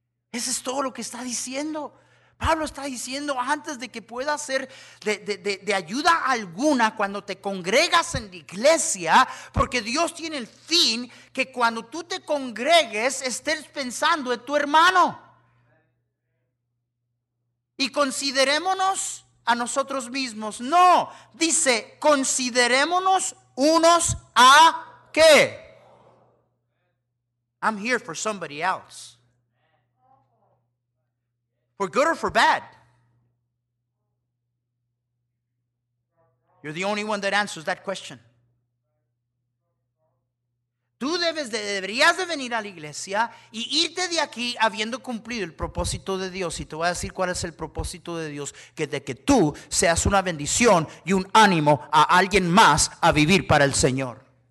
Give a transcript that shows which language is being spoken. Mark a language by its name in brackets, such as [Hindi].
[Spanish] Eso es todo lo que está diciendo. Pablo está diciendo, antes de que pueda ser de ayuda alguna cuando te congregas en la iglesia, porque Dios tiene el fin que cuando tú te congregues estés pensando en tu hermano. Y considerémonos a nosotros mismos. No, dice, considerémonos unos a qué. [English] I'm here for somebody else. For good or for bad. You're the only one that answers that question. [Spanish] Tú deberías de venir a la iglesia y irte de aquí habiendo cumplido el propósito de Dios. Y te voy a decir cuál es el propósito de Dios. Que de que tú seas una bendición y un ánimo a alguien más a vivir para el Señor.